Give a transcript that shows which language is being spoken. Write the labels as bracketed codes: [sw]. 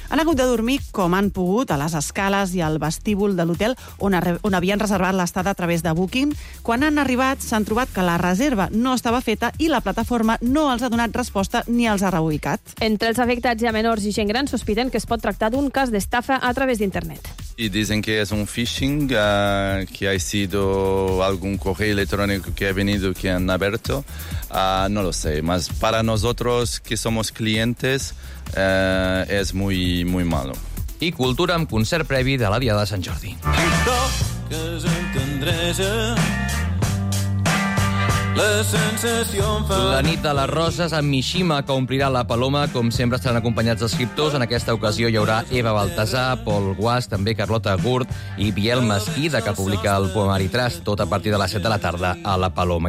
[ca] Han hagut de dormir com han pogut a les escales i al vestíbul de l'hotel on havien reservat l'estada a través de Booking. Quan han arribat, s'han trobat que la reserva no estava feta i la plataforma no els ha donat resposta ni els ha reubicat. Entre els afectats hi ha menors i gent gran, sospiten que es pot tractar d'un cas d'estafa a través d'internet. [es] Y dicen que es un phishing, que ha sido algún correo electrónico que ha venido, que han abierto. No lo sé, mas para nosotros que somos clientes es muy, muy malo. [ca] i cultura amb concert previ de la Diada de Sant Jordi. La nit de les roses amb Mishima, que omplirà la Paloma. Com sempre, estaran acompanyats d'escriptors. En aquesta ocasió hi haurà Eva Baltasar, Pol Guas, també Carlota Gurt i Biel Mesquida, que publica el poemari Tras, tot a partir de les 7 de la tarda a la Paloma.